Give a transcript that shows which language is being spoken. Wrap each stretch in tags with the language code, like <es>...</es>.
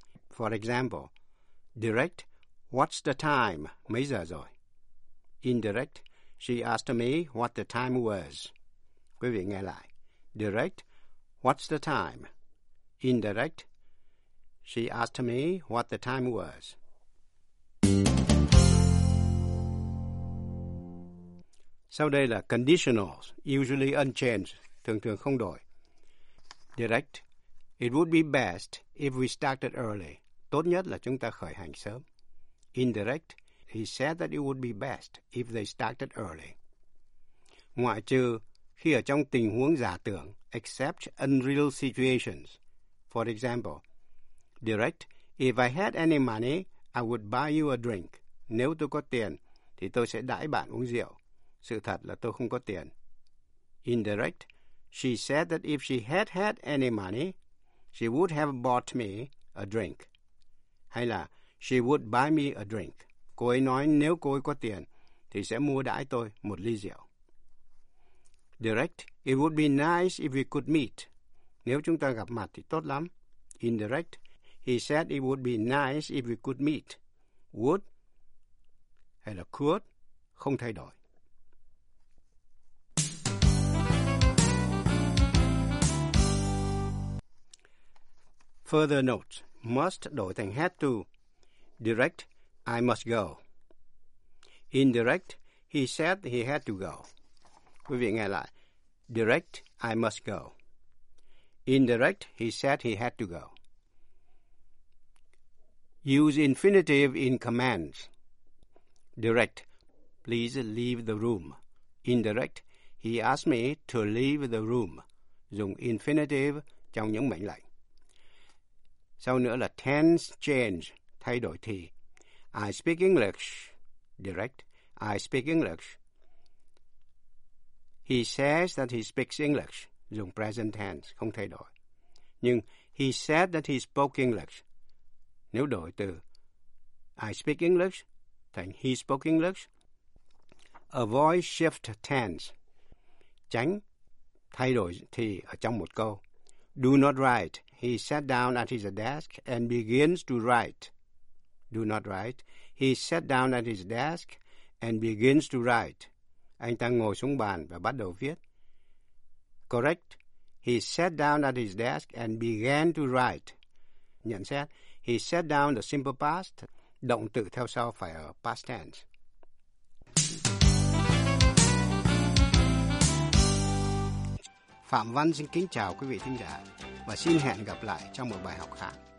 <en>For example, direct, what's the time?</en> <vi>Mấy giờ rồi?</vi> <en>Indirect, she asked me what the time was.</en> <vi>Quý vị nghe lại.</vi> <en>Direct, what's the time? Indirect, she asked me what the time was.</en> <vi>Sau đây là conditionals,</vi> <en>usually unchanged,</en> <vi>thường thường không đổi.</vi> <en>Direct, it would be best if we started early.</en> <vi>Tốt nhất là chúng ta khởi hành sớm.</vi> <en>Indirect, he said that it would be best if they started early.</en> <vi>Ngoại trừ khi ở trong tình huống giả tưởng,</vi> <en>except unreal situations. For example, direct, if I had any money, I would buy you a drink.</en> <vi>Nếu tôi có tiền, thì tôi sẽ đãi bạn uống rượu. Sự thật là tôi không có tiền.</vi> <en>Indirect, she said that if she had had any money, she would have bought me a drink.</en> <vi>Hay là,</vi> <en>she would buy me a drink.</en> <vi>Cô ấy nói nếu cô ấy có tiền, thì sẽ mua đãi tôi một ly rượu.</vi> <en>Direct, it would be nice if we could meet.</en> <vi>Nếu chúng ta gặp mặt thì tốt lắm.</vi> <en>Indirect, he said it would be nice if we could meet.</en> <vi>Would hay là could, không thay đổi.</vi> <en>Further note, must</en> <vi>đổi thành</vi> <en>had to. Direct, I must go. Indirect, he said he had to go.</en> <vi>Quý vị nghe lại.</vi> <en>Direct, I must go. Indirect, he said he had to go. Use infinitive in commands. Direct, please leave the room. Indirect, he asked me to leave the room.</en> <vi>Dùng infinitive trong những mệnh lệnh. Sau nữa là</vi> <en>tense change,</en> <vi>thay đổi thì.</vi> <en>I speak English. Direct, I speak English. He says that he speaks English.</en> <vi>Dùng present tense, không thay đổi. Nhưng</vi> <en>he said that he spoke English.</en> <vi>Nếu đổi từ</vi> <en>I speak English</en> <vi>thành</vi> <en>he spoke English, avoid shift tense.</en> <vi>Tránh thay đổi thì ở trong một câu.</vi> <en>Do not write. He sat down at his desk and begins to write. Do not write. He sat down at his desk and begins to write.</en> <vi>Anh ta ngồi xuống bàn và bắt đầu viết.</vi> <en>Correct. He sat down at his desk and began to write.</en> <vi>Nhận xét,</vi> <en>he sat down the simple past.</en> <vi>Động từ theo sau phải ở past tense. Phạm Văn xin kính chào quý vị thính giả và xin hẹn gặp lại trong một bài học khác.</vi>